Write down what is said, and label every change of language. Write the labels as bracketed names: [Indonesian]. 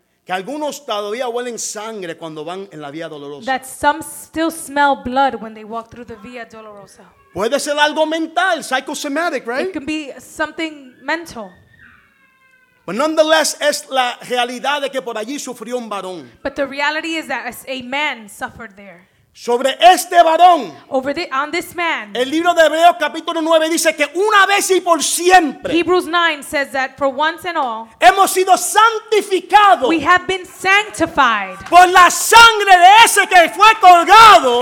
[Spanish] Que algunos todavía huelen sangre cuando van en la Vía Dolorosa. [English] That some still smell blood when they walk through the Vía Dolorosa. [Spanish] Puede ser algo mental, [English] psychosomatic, right? It can be something mental. But nonetheless, [Spanish] es la realidad de que por allí sufrió un varón. [English] But the reality is that a man suffered there. [Spanish] Sobre este varón. [English] Over the, on this man. [Spanish] El libro de Hebreos capítulo 9 dice que una vez y por siempre. [English] Hebrews 9 says that for once and all. [Spanish] Hemos sido santificados. [English] We have been sanctified. [Spanish] Por la sangre de ese que fue colgado.